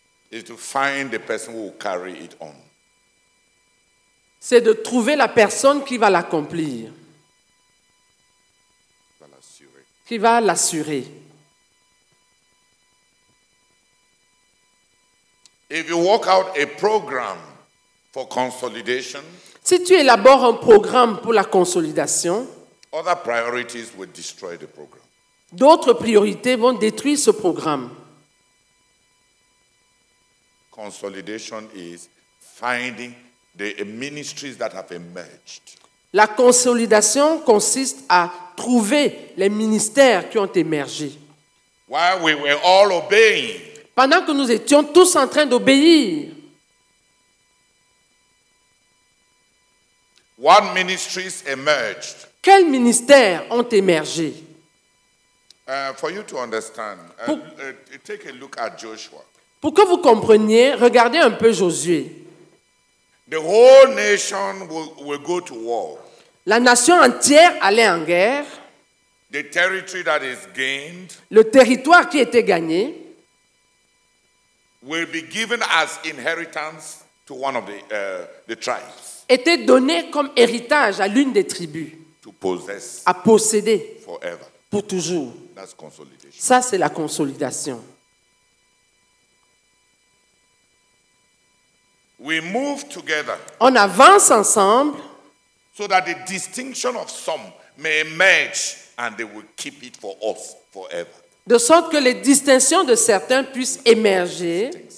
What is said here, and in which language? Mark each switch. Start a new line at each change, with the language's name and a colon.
English: is to find the person who will carry it on.
French: C'est de trouver la personne qui va l'accomplir. Qui va l'assurer.
English: If you work out a program for consolidation,
French: si tu élabores un programme pour la consolidation,
English: other priorities will destroy the program.
French: D'autres priorités vont détruire ce programme.
English: Consolidation is finding the ministries that have emerged.
French: La consolidation consiste à trouver les ministères qui ont émergé.
English: While we were all obeying,
French: pendant que nous étions tous en train d'obéir,
English: what ministries emerged?
French: Quels ministères ont émergé?
English: For you to understand, take a look at Joshua.
French: Pour que vous compreniez, regardez un peu Josué.
English: The whole nation will go to war.
French: La nation entière allait en guerre.
English: The territory that is gained,
French: le territoire qui était gagné,
English: will be given as inheritance to one of the tribes.
French: Était donné comme héritage à l'une des tribus.
English: To possess.
French: À posséder.
English: Forever.
French: Pour toujours.
English: That's consolidation.
French: Ça, c'est la consolidation.
English: We move together.
French: On avance ensemble.
English: So that the distinction of some may emerge. And they will keep it for us forever.
French: De sorte que les distinctions de certains puissent émerger.